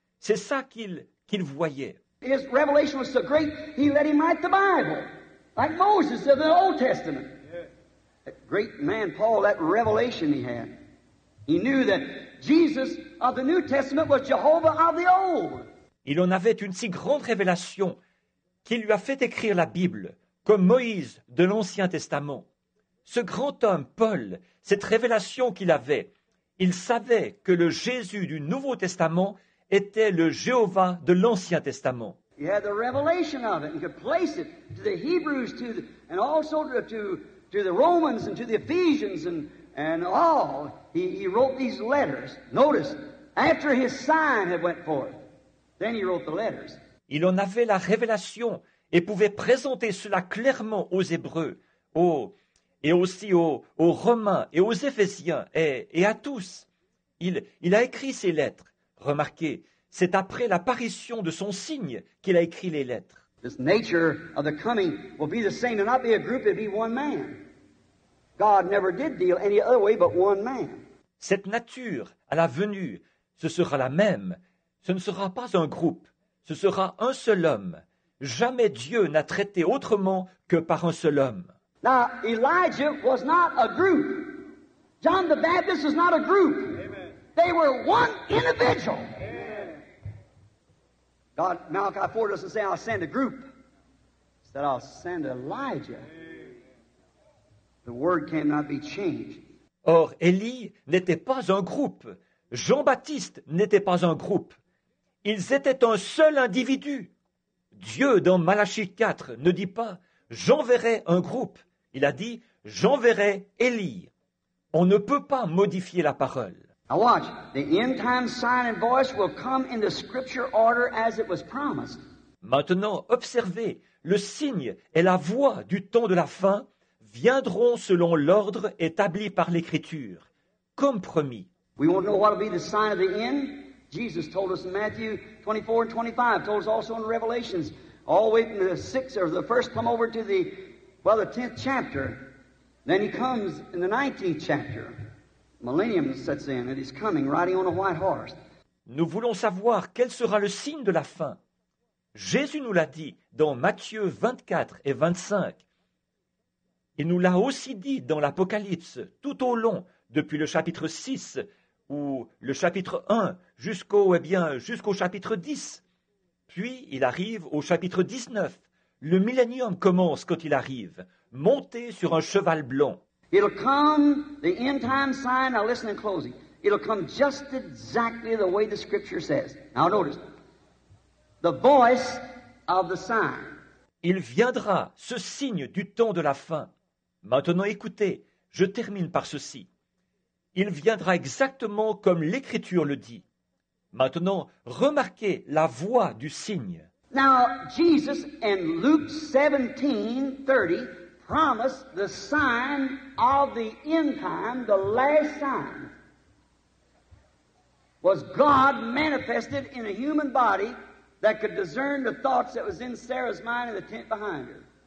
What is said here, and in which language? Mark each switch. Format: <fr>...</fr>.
<fr>C'est ça qu'il voyait.</fr> <en>His revelation was so great, he let him write the Bible, like Moses of the Old Testament. That great man Paul, that revelation he had. He knew that Jesus of the New Testament was Jehovah of the Old.</en> <fr>Il en avait une si grande révélation qu'il lui a fait écrire la Bible, comme Moïse de l'Ancien Testament. Ce grand homme, Paul, cette révélation qu'il avait, il savait que le Jésus du Nouveau Testament était le Jéhovah de l'Ancien Testament.</fr> <en>He had the revelation of it and could place it to the Hebrews, to the, and also to the Romans and to the Ephesians and all. He wrote these letters. Notice, after his sign had went forth. Then he wrote the letters.</en> <fr>Il en avait la révélation et pouvait présenter cela clairement aux Hébreux, aux Romains et aux Éphésiens et à tous. Il a écrit ces lettres. Remarquez, c'est après l'apparition de son signe qu'il a écrit les lettres.</fr> <en>This nature of the coming will be the same. It'll not be a group, it'll be one man. God never did deal any other way but one man.</en> <fr>Cette nature à la venue, ce sera la même. Ce ne sera pas un groupe, ce sera un seul homme. Jamais Dieu n'a traité autrement que par un seul homme.</fr> <en>Now, Elijah was not a group. John the Baptist was not a group. Amen. They were one individual. Amen. God, Malachi 4 doesn't say, I'll send a group. It said, I'll send Elijah. Amen. The word cannot be changed.</en> <fr>Or, Élie n'était pas un groupe. Jean-Baptiste n'était pas un groupe. Ils étaient un seul individu. Dieu, dans Malachie 4, ne dit pas « j'enverrai un groupe ». Il a dit « j'enverrai Élie ». On ne peut pas modifier la parole.</fr> <en>Now watch, the end time sign and voice will come in the scripture order as it was promised.</en> <fr>Maintenant, observez, le signe et la voix du temps de la fin viendront selon l'ordre établi par l'Écriture, comme promis.</fr> <en>We won't know what will be the sign of the end. Jesus told us in Matthew 24 and 25, told us also in Revelations, all the way from the sixth or the first come over to the, well, the 10th chapter. Then he comes in the 19th chapter. Millennium sets in and he's coming riding on a white horse.</en> <fr>Nous voulons savoir quel sera le signe de la fin. Jésus nous l'a dit dans Matthieu 24 et 25. Il nous l'a aussi dit dans l'Apocalypse tout au long, depuis le chapitre 6 ou le chapitre 1 jusqu'au chapitre 10. Puis il arrive au chapitre 19. Le millénium commence quand il arrive, monté sur un cheval blanc.</fr> <en>It'll come, the end time sign, now listen in closing. It'll come just exactly the way the scripture says. Now notice, the voice of the sign.</en> <fr>Il viendra, ce signe du temps de la fin. Maintenant écoutez, je termine par ceci. Il viendra exactement comme l'écriture le dit. Maintenant, remarquez la voix du signe.</fr> <en>Now Jesus in Luke 17:30 promised the sign of the end time, the last sign, was God manifested in a human body that could discern the thoughts that was in Sarah's mind in the tent behind her. Yes.</en>